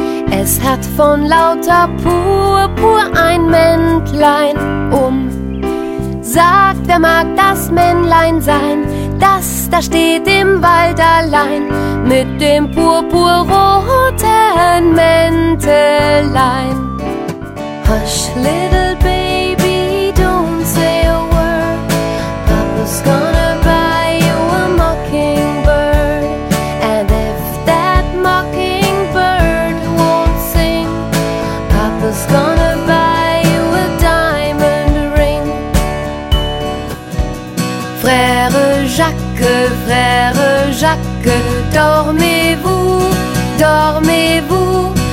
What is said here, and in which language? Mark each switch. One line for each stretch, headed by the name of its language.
German: Es hat von lauter Purpur ein Männlein um. Sagt, wer mag das Männlein sein, das da steht im Wald allein mit dem purpurroten Mäntelein.
English: Hush, little baby, don't say a word. Papa's gonna buy you a mockingbird. And if that mockingbird won't sing, Papa's gonna buy you a diamond ring.
French: Frère Jacques, frère Jacques, dormez-vous, dormez-vous.